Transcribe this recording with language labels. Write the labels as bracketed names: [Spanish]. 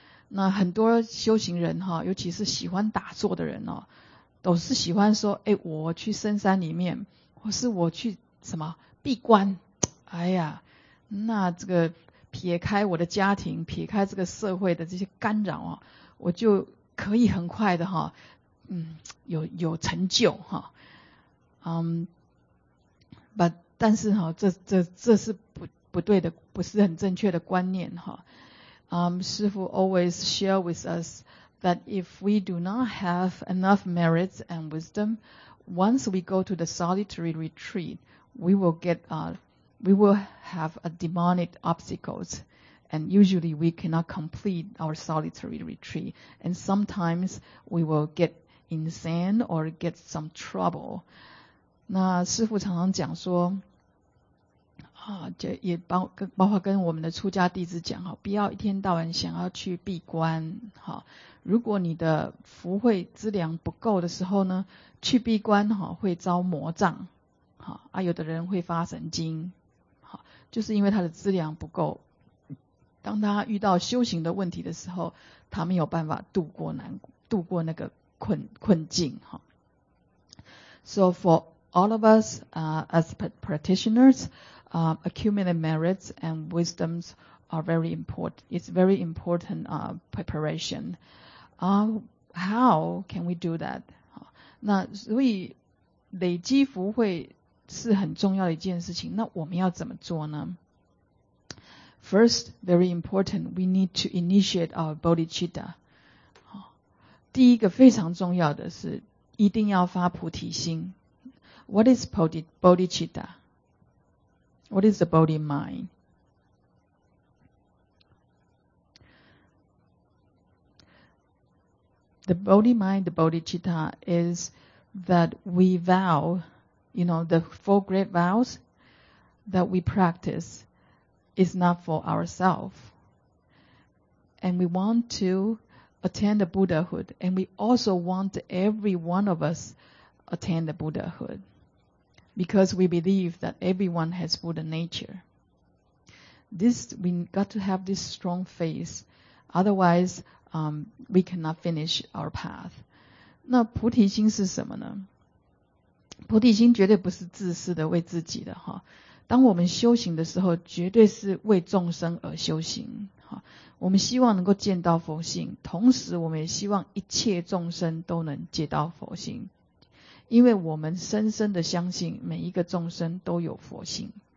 [Chinese] 那很多修行人哈，尤其是喜欢打坐的人哦，都是喜欢说，哎，我去深山里面，或是我去什么闭关，哎呀，那这个撇开我的家庭，撇开这个社会的这些干扰哦，我就可以很快的哈，有成就哈，但是哈，这是不对的，不是很正确的观念哈。 [English] 师父 always share with us that if we do not have enough merits and wisdom, once we go to the solitary retreat, we will have a demonic obstacles, and usually we cannot complete our solitary retreat, and sometimes we will get insane or get some trouble. [Chinese] 那师父常常讲说就也包括跟我们的出家弟子讲，不要一天到晚想要去闭关。如果你的福慧资粮不够的时候呢，去闭关会遭魔障，有的人会发神经，就是因为他的资粮不够，当他遇到修行的问题的时候，他没有办法度过那个困境。 [English] So for all of us as practitioners, accumulated merits and wisdoms are very important. It's very important preparation. How can we do that? [Chinese] 那所以累积福慧是很重要的一件事情，那我们要怎么做呢？ [English] First, very important, we need to initiate our bodhicitta. [Chinese] 第一个非常重要的是一定要发菩提心。 [English] What is bodhicitta? What is the body mind? The body mind, the bodhicitta, is that we vow, you know, the four great vows that we practice is not for ourselves. And we want to attain the Buddhahood, and we also want every one of us attain the Buddhahood, because we believe that everyone has Buddha nature. This, we got to have this strong faith, otherwise, we cannot finish our path. [Chinese] 那菩提心是什么呢？菩提心绝对不是自私的，为自己的哈。当我们修行的时候，绝对是为众生而修行。我们希望能够见到佛性，同时我们也希望一切众生都能见到佛性，因为我们深深的相信每一个众生都有佛性。